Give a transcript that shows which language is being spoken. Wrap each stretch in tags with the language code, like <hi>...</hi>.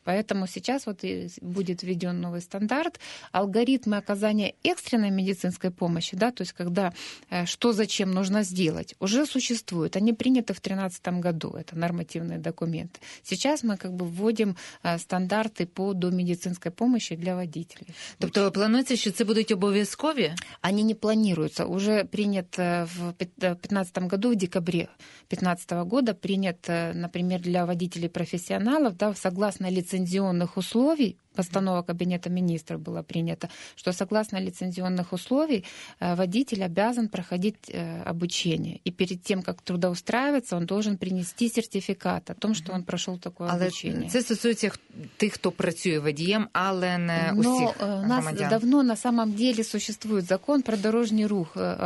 <ru>Поэтому сейчас вот и будет введен новый стандарт. Алгоритмы оказания экстренной медицинской помощи, да, то есть когда что зачем нужно сделать, уже существуют. Они приняты в 2013 году, это нормативные документы. Сейчас мы как бы вводим стандарты по домедицинской помощи для водителей.</ru> <uk>Тобто планується, що це будуть обов'язкові?</uk> <ru>Они не планируются. Уже принят в 2015 году, в декабре 2015 года, принят, например, для водителей-профессионалов, да, согласно лицензионных условий, постанова Кабинета министров была принята, что согласно лицензионных условий водитель обязан проходить обучение. И перед тем, как трудоустраиваться, он должен принести сертификат о том, что он прошел такое обучение.</ru> <uk>Але це стосується тих, хто працює водієм, але не усіх громадян.</uk> <ru>У нас давно на самом деле существует закон про дорожний рух.</ru>